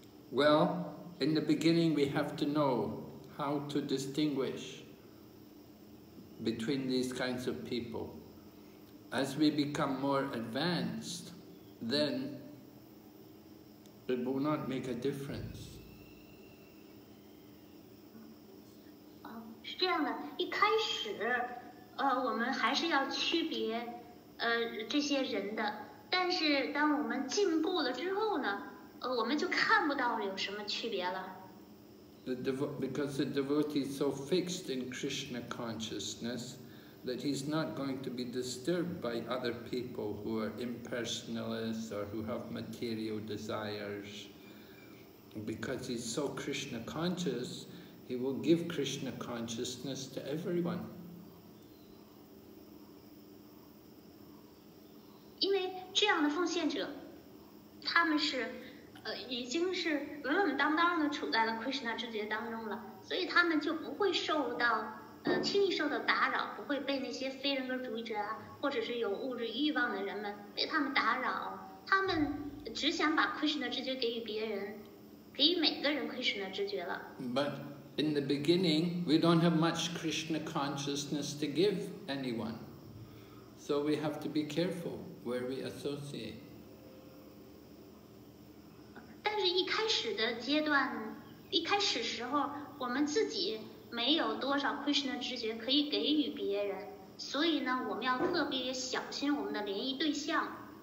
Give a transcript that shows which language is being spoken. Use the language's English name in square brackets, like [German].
[English] Well, in the beginning we have to know how to distinguish between these kinds of people. As we become more advanced, then it will not make a difference. [Chinese] 是这样的，一开始，我们还是要区别，这些人的。但是当我们进步了之后呢，我们就看不到有什么区别了。 [English] Because the devotee is so fixed in Krishna consciousness that he's not going to be disturbed by other people who are impersonalists or who have material desires. Because he's so Krishna conscious, he will give Krishna consciousness to everyone. [Chinese] 这样的奉献者，他们是已经是稳稳当当的处在了 Krishna 之觉当中了，所以他们就不会受到轻易受到打扰，不会被那些非人格主义者啊，或者是有物质欲望的人们被他们打扰。他们只想把 Krishna 之觉给予别人，给予每个人 Krishna 之觉了。 [English] But in the beginning, we don't have much Krishna consciousness to give anyone, so we have to be careful where we associate. [Chinese] 但是一开始的阶段，一开始时候我们自己没有多少 Krishna 知觉可以给予别人，所以呢我们要特别小心我们的联谊对象。